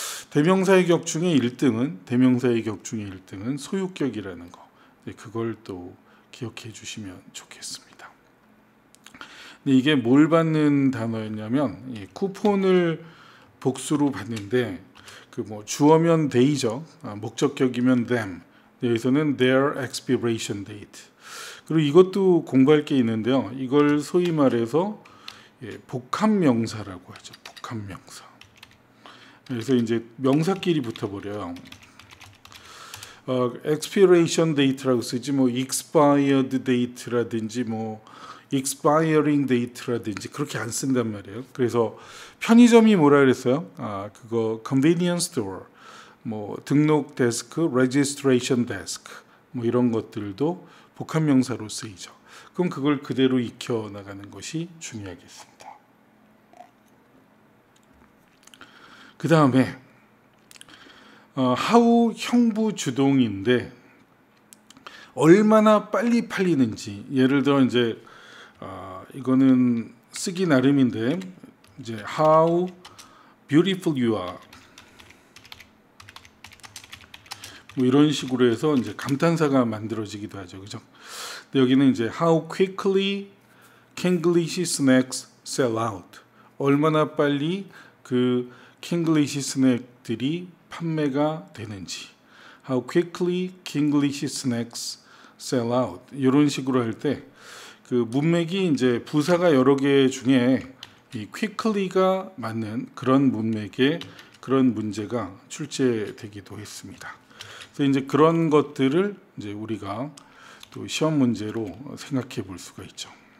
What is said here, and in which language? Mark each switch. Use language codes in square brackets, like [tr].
[ko] 대명사의 격 중에 1등은 소유격이라는 거. 그걸 또 기억해 주시면 좋겠습니다. 근데 이게 뭘 받는 단어였냐면 이 쿠폰을 복수로 받는데 그 뭐 주어면 they죠. 목적격이면 them. 여기서는 [en] their expiration date. [ko] 그리고 이것도 공부할 게 있는데요. 이걸 소위 말해서 복합명사라고 하죠. 복합명사. 그래서 이제 명사끼리 붙어버려요. expiration date라고 쓰지 뭐 expired date라든지 뭐 expiring date라든지 그렇게 안 쓴단 말이에요. 그래서 편의점이 뭐라 그랬어요? 그거 convenience store, 뭐 등록 데스크, registration desk 뭐 이런 것들도 복합명사로 쓰이죠. 그럼 그걸 그대로 익혀 나가는 것이 중요하겠습니다. 그 다음에 how 형부 주동인데 얼마나 빨리 팔리는지. 예를 들어 이제 이거는 쓰기 나름인데 이제 [en] how beautiful you are [ko] 뭐 이런 식으로 해서 이제 감탄사가 만들어지기도 하죠. 그죠? 근데 여기는 이제 [en] how quickly Kinglish snacks sell out. [ko] 얼마나 빨리 그 Kinglish snack들이 판매가 되는지. [en] How quickly Kinglish snacks sell out. [ko] 이런 식으로 할 때 그 문맥이 이제 부사가 여러 개 중에 이 quickly가 맞는 그런 문맥에 그런 문제가 출제되기도 했습니다. 그래서 이제 그런 것들을 이제 우리가 또 시험 문제로 생각해 볼 수가 있죠.